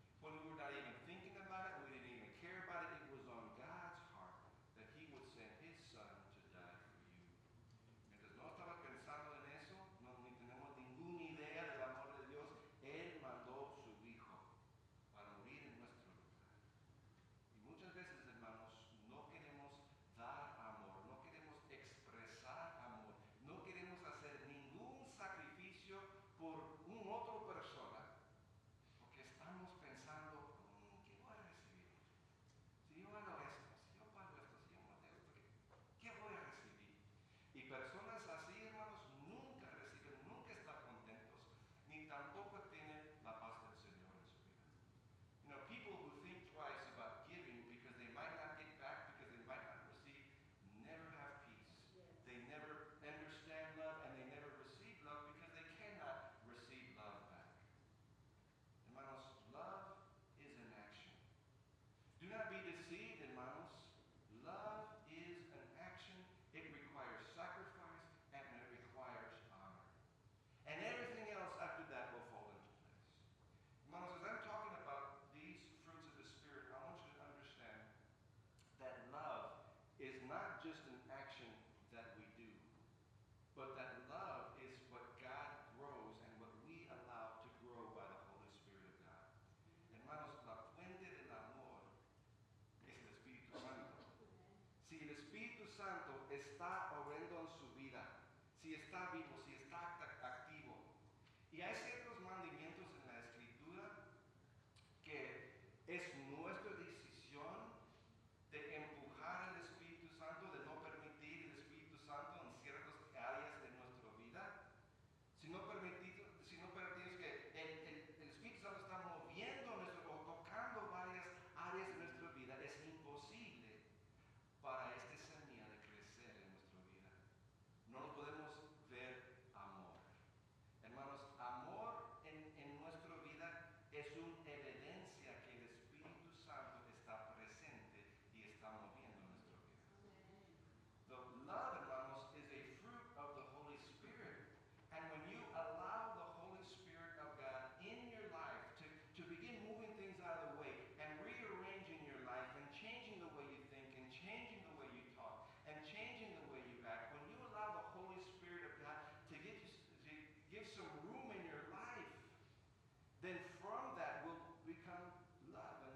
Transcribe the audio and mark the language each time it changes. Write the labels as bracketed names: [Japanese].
[English] When we were not even thinking about it, we didn't even care about it, it was on God's heart that he would send his son to die for you. [Spanish] Mientras no estaba pensando en eso, no ni tenemos ninguna idea del amor de Dios, él mandó su hijo para morir en nuestro lugar. Y muchas veces, hermanos, no queremos dar amor, no queremos expresar amor, no queremos hacer ningún sacrificio por un otro persona, porque estamos pensando, ¿qué voy a recibir? Si yo hago esto, si yo pago esto, si yo mateo, ¿qué voy a recibir? Y personas así, hermanos, nunca reciben, nunca están contentos, ni tampoco tienen la paz del Señor en su vida. [English] You know, people who think twice about giving because they might not get back, because they might not receive, never have peace. Yes. They never understand love, and they never receive love because they cannot receive love back. Hermanos, love is an action. Do not be deceived, hermanos. Love is an action. It requires sacrifice, and it requires honor. And everything else after that will fall into place. Hermanos, as I'm talking about these fruits of the Spirit, I want you to understand that love is not just an action that we do, but that love is what God grows and what we allow to grow by the Holy Spirit of God. [Spanish] Hermanos, la fuente del amor es el Espíritu Santo. Si el Espíritu Santo está obrando en su vida, si está vivo, si está activo, y hay ciertos mandamientos en la Escritura que es nuestra decisión de empujar al Espíritu Santo, de no permitir el Espíritu Santo en ciertas áreas de nuestra vida. Si no permitimos que el Espíritu Santo está moviendo nuestro, o tocando varias áreas de nuestra vida, es imposible para esta semilla de crecer en nuestra vida. No podemos ver amor. Hermanos, amor en nuestra vida es una evidencia que el Espíritu Santo está presente y está moviendo nuestra vida. [English] The love, hermanos, is a fruit of the Holy Spirit. And when you allow the Holy Spirit of God in your life to begin moving things out of the way and rearranging your life and changing the way you think and changing the way you talk and changing the way you act, when you allow the Holy Spirit of God to give some room in your life, then from that will become love.